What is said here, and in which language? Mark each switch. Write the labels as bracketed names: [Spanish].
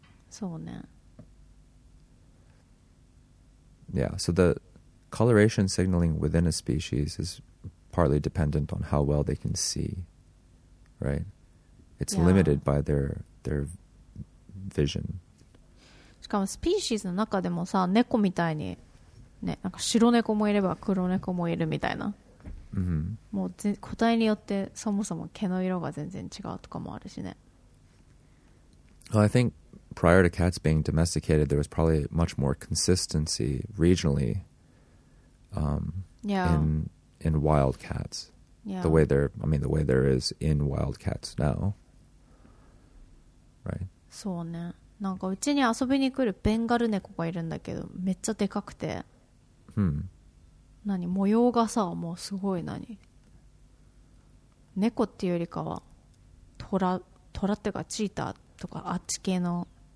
[English] So now. Yeah, so the coloration signaling within a species is partly dependent on how well they can see, right? It's limited by their vision. [Japanese] しかもスピーシーズの中でもさ、猫みたいにね、なんか白猫もいれば黒猫もいるみたいな。 Mm-hmm. もう個体によってそもそも毛の色が全然違うとかもあるしね。 [English] Well, I think prior to cats being domesticated, there was probably much more consistency regionally in wild cats. Yeah. The way there is in wild cats now. Right. [Japanese] そうね。なんかうちに遊びに来るベンガル猫がいるんだけど、めっちゃでかくて。 Hmm. 何模様がさもうすごい何猫っていうよりかはトラっていうかチーターとかあっち系の